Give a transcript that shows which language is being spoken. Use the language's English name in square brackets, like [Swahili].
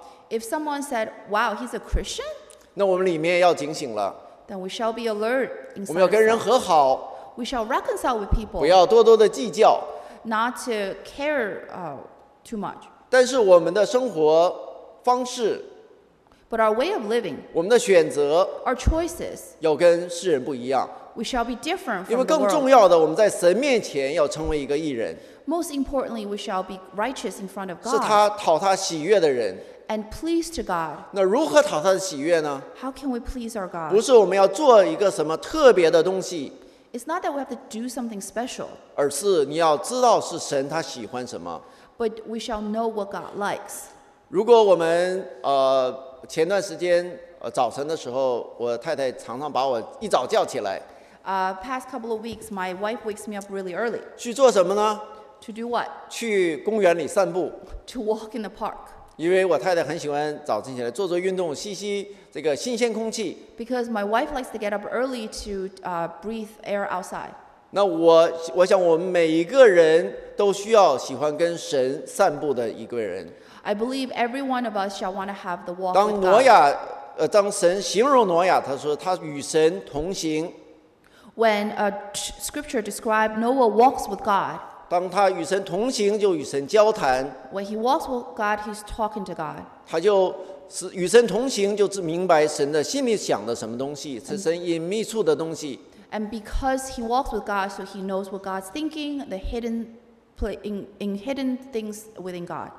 [English] If someone said, "Wow, he's a Christian," [Chinese] 那我们里面要警醒了。 [English] Then we shall be alert. [Chinese] 我们要跟人和好。 [English] We shall reconcile with people. [Chinese] 不要多多的计较。 [English] Not to care too much. [Chinese] 但是我们的生活方式。 [English] But our way of living. [Chinese] 我们的选择。 [English] Our choices. [Chinese] 要跟世人不一样。 [English] We shall be different from the world. [Chinese] 因为更重要的，我们在神面前要成为一个义人。 [English] Most importantly, we shall be righteous in front of God. [Chinese] 是他讨他喜悦的人。 [English] And please to God. [Chinese] 那如何讨他的喜悦呢？ [English] How can we please our God? [Chinese] 不是我们要做一个什么特别的东西。 [English] It's not that we have to do something special. [Chinese] 而是你要知道是神他喜欢什么。 [English] But we shall know what God likes. [Chinese] 如果我们前段时间早晨的时候，我太太常常把我一早叫起来。 [English] Past couple of weeks, my wife wakes me up really early. [Chinese] 去做什么呢？ [English] To do what? [Chinese] 去公园里散步。 [English] To walk in the park. [Chinese] 因为我太太很喜欢早晨起来做做运动，吸吸这个新鲜空气。 [English] Because my wife likes to get up early to breathe air outside. [Chinese] 那我想我们每一个人都需要喜欢跟神散步的一个人。 [English] I believe every one of us shall want to have the walk. [Chinese] 当挪亚当神形容挪亚，他说他与神同行。 [English] When a scripture described Noah walks with God. [Chinese] 当他与神同行，就与神交谈。 [English] When he walks with God, he's talking to God. [Chinese] 他就。与神同行就明白神的心里想的什么东西，是神隐秘处的东西。 [English] And because he walks with God, so he knows what God's thinking, the hidden in hidden things within God.